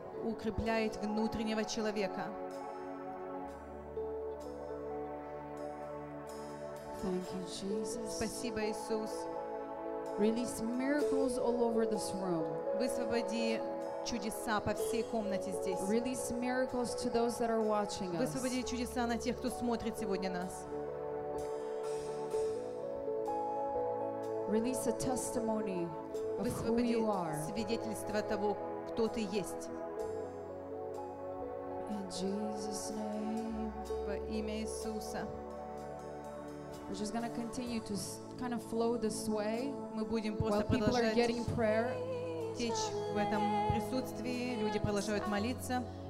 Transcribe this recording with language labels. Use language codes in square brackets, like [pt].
[ru] Укрепляет внутреннего человека. [en] Thank you, Jesus. [ru] Спасибо, Иисус. [en] Release miracles all over this room. [ru] Высвободи чудеса по всей комнате здесь. [en] Release miracles to those that are watching us. [ru] Высвободи чудеса на тех, кто смотрит сегодня нас. [en] Release a testimony of who you are. [ru] Высвободи свидетельство того, кто ты есть. [en] In Jesus' name. [ru] Во имя Иисуса. [en] We're just going to continue to kind of flow this way. [ru] Мы будем просто [en] while people are getting prayer. [ru] Течь в этом присутствии, люди продолжают молиться.